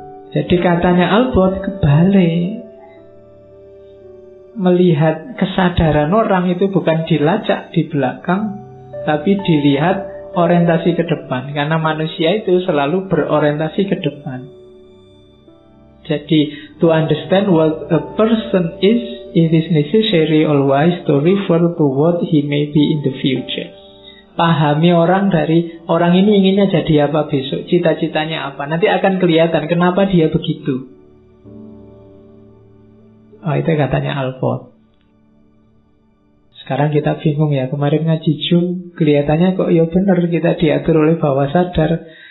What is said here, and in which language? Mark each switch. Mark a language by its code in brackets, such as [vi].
[id] Jadi katanya Alport kebalik. Melihat kesadaran orang itu bukan dilacak di belakang, tapi dilihat orientasi ke depan. Karena manusia itu selalu berorientasi ke depan. [en] Jadi to understand what a person is, it is necessary always to refer to what he may be in the future. [id] Pahami orang dari orang ini inginnya jadi apa besok, cita-citanya apa. Nanti akan kelihatan kenapa dia begitu. Oh, itu katanya Alport. Sekarang kita bingung ya, kemarin ngaji Jum, kelihatannya kok ya benar kita diatur oleh bawah sadar.